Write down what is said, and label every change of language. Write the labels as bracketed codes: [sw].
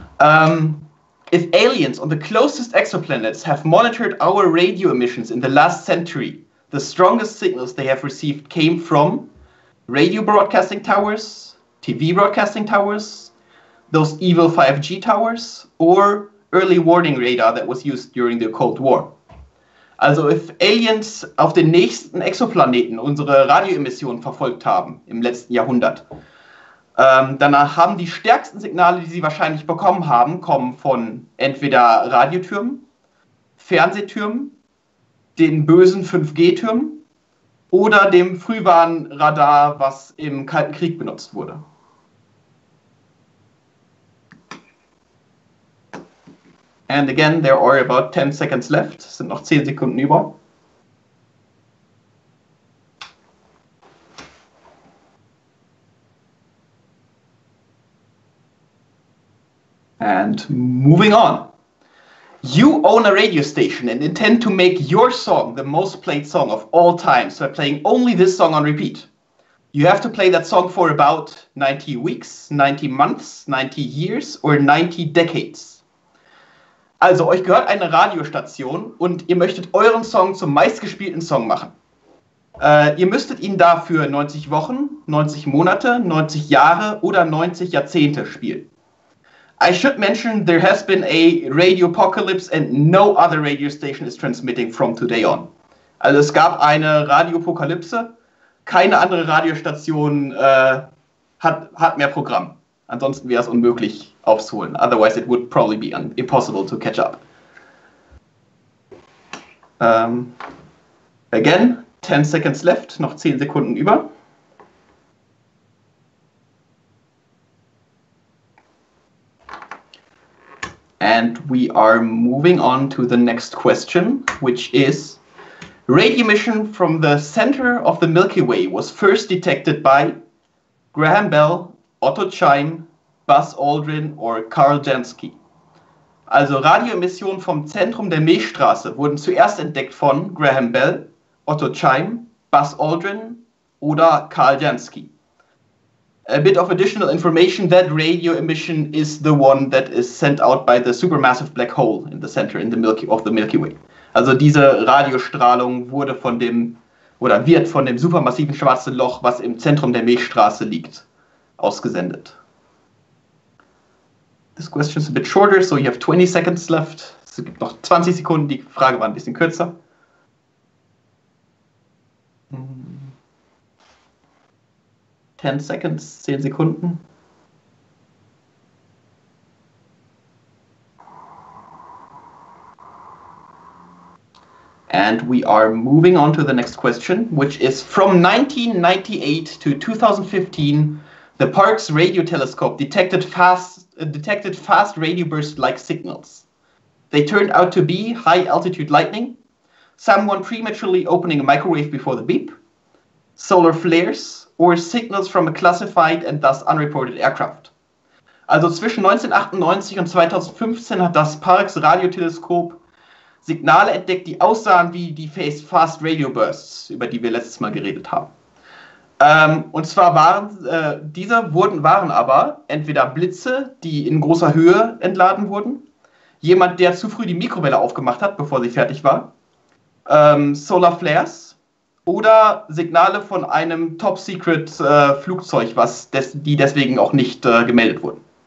[en] If aliens on the closest exoplanets have monitored our radio emissions in the last century, the strongest signals they have received came from radio broadcasting towers, TV broadcasting towers, those evil 5G towers, or early warning radar that was used during the Cold War. [de] Also [en] if aliens [de] auf den nächsten Exoplaneten unsere Radioemissionen verfolgt haben im letzten Jahrhundert, danach haben die stärksten Signale, die sie wahrscheinlich bekommen haben, kommen von entweder Radiotürmen, Fernsehtürmen, den bösen 5G-Türmen oder dem Frühwarnradar, was im Kalten Krieg benutzt wurde. And again, there are about 10 seconds left. Es sind noch 10 Sekunden über. [en] And moving on. You own a radio station and intend to make your song the most played song of all time by playing only this song on repeat. You have to play that song for about 90 weeks, 90 months, 90 years or 90 decades. [de] Also euch gehört eine Radiostation und ihr möchtet euren Song zum meistgespielten Song machen. Ihr müsstet ihn dafür 90 Wochen, 90 Monate, 90 Jahre oder 90 Jahrzehnte spielen. [en] I should mention there has been a radio apocalypse and no other radio station is transmitting from today on. [de] Also es gab eine Radioapokalypse, keine andere Radiostation hat mehr Programm. Ansonsten wäre es unmöglich aufzuholen. [en] Otherwise it would probably be impossible to catch up. Again, 10 seconds left, [de] noch 10 Sekunden über. [en] And we are moving on to the next question, which is radio emission from the center of the Milky Way was first detected by Graham Bell, Otto Chaim, Buzz Aldrin or Carl Jansky. [de] Also Radioemissionen vom Zentrum der Milchstraße wurden zuerst entdeckt von Graham Bell, Otto Chaim, Buzz Aldrin oder Carl Jansky. [en] A bit of additional information, that radio emission is the one that is sent out by the supermassive black hole in the center of the Milky Way. [de] Also diese Radiostrahlung wird von dem supermassiven schwarzen Loch, was im Zentrum der Milchstraße liegt, ausgesendet. [en] This question is a bit shorter, so you have 20 seconds left. [de] Es gibt noch 20 Sekunden, die Frage war ein bisschen kürzer. Mm. [en] 10 seconds, [de] 10 Sekunden. [en] And we are moving on to the next question, which is from 1998 to 2015, the Parkes radio telescope detected fast radio burst-like signals. They turned out to be high-altitude lightning, someone prematurely opening a microwave before the beep, solar flares, or signals from a classified and thus unreported aircraft. [de] Also zwischen 1998 und 2015 hat das Parkes Radioteleskop Signale entdeckt, die aussahen wie die Fast Radio Bursts, über die wir letztes Mal geredet haben. Und zwar waren aber entweder Blitze, die in großer Höhe entladen wurden, jemand, der zu früh die Mikrowelle aufgemacht hat, bevor sie fertig war, Solar Flares oder Signale von einem Top-Secret-Flugzeug, die deswegen auch nicht gemeldet wurden.